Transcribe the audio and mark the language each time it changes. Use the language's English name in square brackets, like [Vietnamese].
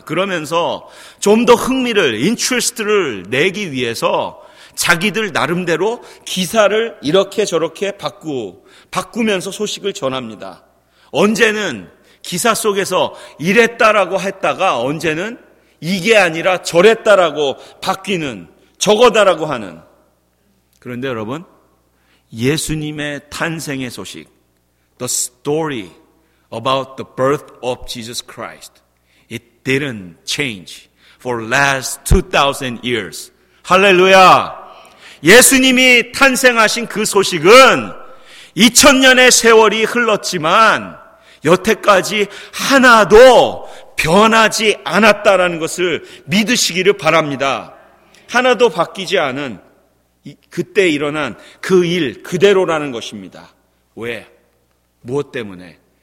[Korean] 그러면서 좀 더 흥미를, 인트레스트를 내기 위해서 자기들 나름대로 기사를 이렇게 저렇게 바꾸면서 소식을 전합니다. 언제는 기사 속에서 이랬다라고 했다가 언제는 이게 아니라 저랬다라고 바뀌는 저거다라고 하는. 그런데 여러분, 예수님의 탄생의 소식, [English] The story about the birth of Jesus Christ, it didn't change for last 2,000 years. [Korean] 할렐루야! 예수님이 탄생하신 그 소식은 2000년의 세월이 흘렀지만 여태까지 하나도 변하지 않았다라는 것을 믿으시기를 바랍니다. 하나도 바뀌지 않은 그때 일어난 그 일 그대로라는 것입니다. 왜? 무엇 때문에?